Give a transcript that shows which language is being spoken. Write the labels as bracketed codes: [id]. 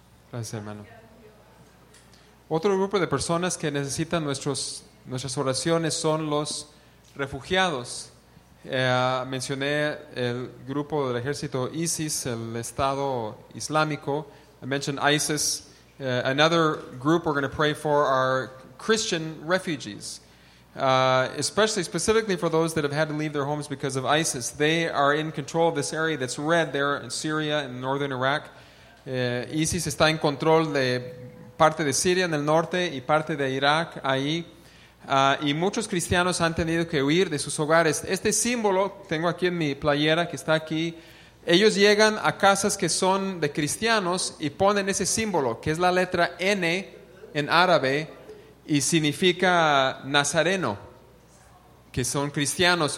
[es] Gracias, hermano. Otro grupo de personas que necesitan nuestras oraciones son los refugiados. Mencioné el grupo del ejército ISIS, el Estado Islámico. [en] I mentioned ISIS. Another group we're going to pray for are Christian refugees, specifically for those that have had to leave their homes because of ISIS. They are in control of this area that's red there in Syria and northern Iraq. [es] ISIS está en control de parte de Siria en el norte y parte de Irak ahí. Y muchos cristianos han tenido que huir de sus hogares. Este símbolo tengo aquí en mi playera que está aquí. Ellos llegan a casas que son de cristianos y ponen ese símbolo, que es la letra N en árabe y significa nazareno, que son cristianos.